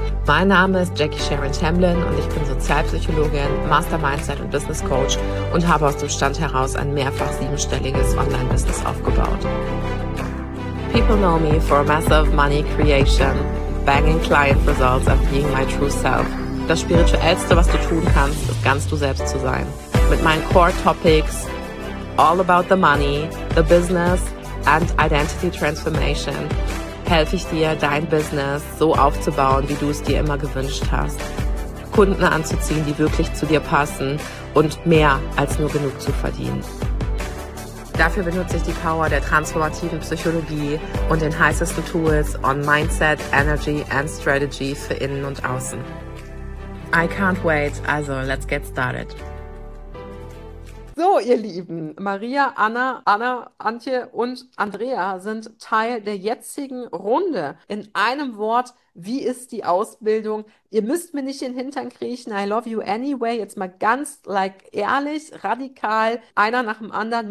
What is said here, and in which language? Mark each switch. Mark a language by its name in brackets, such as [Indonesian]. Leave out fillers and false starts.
[German] Mein Name ist Jackie Sharon Tamblyn und ich bin Sozialpsychologin, Master Mindset und Business Coach und habe aus dem Stand heraus ein mehrfach siebenstelliges Online-Business aufgebaut. [English] People know me for massive money creation, banging client results and being my true self. [German] Das Spirituellste, was du tun kannst, ist ganz du selbst zu sein. Mit meinen Core Topics, [English] all about the money, the business and identity transformation, [German] helfe ich dir, dein Business so aufzubauen, wie du es dir immer gewünscht hast. Kunden anzuziehen, die wirklich zu dir passen und mehr als nur genug zu verdienen. Dafür benutze ich die Power der transformativen Psychologie und den heißesten Tools [English] on Mindset, Energy and Strategy [German] für innen und außen. [English] I can't wait, also let's get started. [German] So, ihr Lieben, Maria, Anna, Antje und Andrea sind Teil der jetzigen Runde. In einem Wort, wie ist die Ausbildung? Ihr müsst mir nicht in den Hintern kriechen, [English] I love you anyway. [German] Jetzt mal ganz, like, ehrlich, radikal, einer nach dem anderen.